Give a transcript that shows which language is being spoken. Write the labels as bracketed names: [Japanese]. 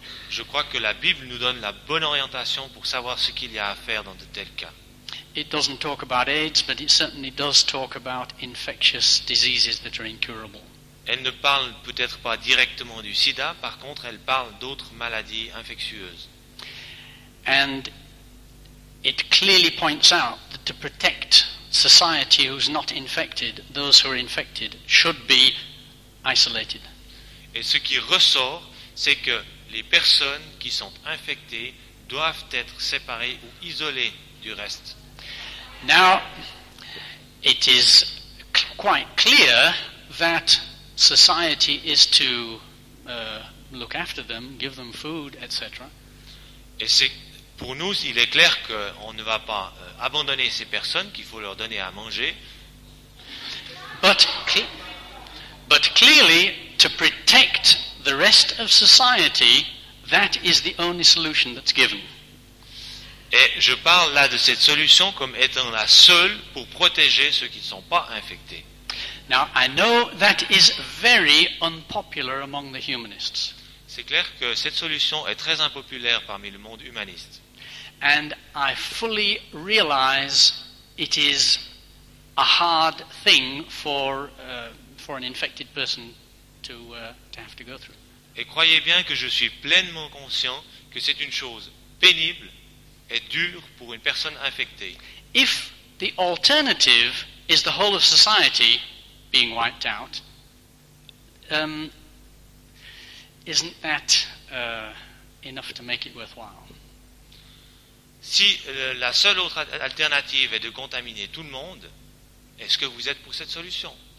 [French] Je crois que la Bible nous donne la bonne orientation pour savoir ce qu'il y a à faire dans de tels cas. [English] It doesn't talk about AIDS, but it certainly does talk about infectious diseases that are incurable. [French] Elle ne parle peut-être pas directement du sida, par contre elle parle d'autres maladies infectieuses. [English] And it clearly points out that to protect society who's not infected, those who are infected should be isolated. [French] Et ce qui ressort, c'est que les personnes qui sont infectées doivent être séparées ou isolées du reste. [English] Now, it is quite clear that society is to look after them, give them food, etc. [French] Et c'est pour nous, il est clair qu'on ne va pas abandonner ces personnes, qu'il faut leur donner à manger. [English] But clearly, to protect the rest of society, that is the only solution that's given. [French] Et je parle là de cette solution comme étant la seule pour protéger ceux qui ne sont pas infectés. [English] Now, I know that is very unpopular among the humanists. [French] C'est clair que cette solution est très impopulaire parmi le monde humaniste. [English] And I fully realize it is a hard thing for an infected person to have to go through. [French] Et croyez bien que je suis pleinement conscient que c'est une chose pénible et dure pour une personne infectée. [English] If the alternative is the whole of society being wiped out, isn't that enough to make it worthwhile? [French] Si la seule autre alternative est de contaminer tout le monde, est-ce que vous êtes pour cette solution?